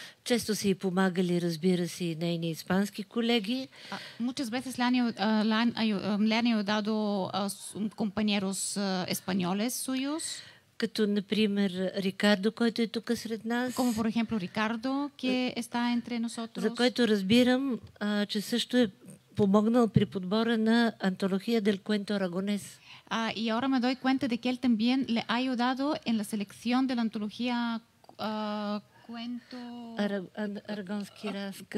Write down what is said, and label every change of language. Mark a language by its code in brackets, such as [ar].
[bg] Често са и помагали, разбира се, и нейни испански колеги. [es] Muchas veces le han ayudado compañeros españoles suyos. [bg] Като, например, Рикардо, който е тук сред нас. [es] Como, por ejemplo, Ricardo, que está entre nosotros. [bg] За който разбирам, че също е помогнал при подбора на антология Del Cuento Aragonés. [es] Y ahora me doy cuenta de que él también le ha ayudado en la selección de la antología [bg] Aragonski разказ.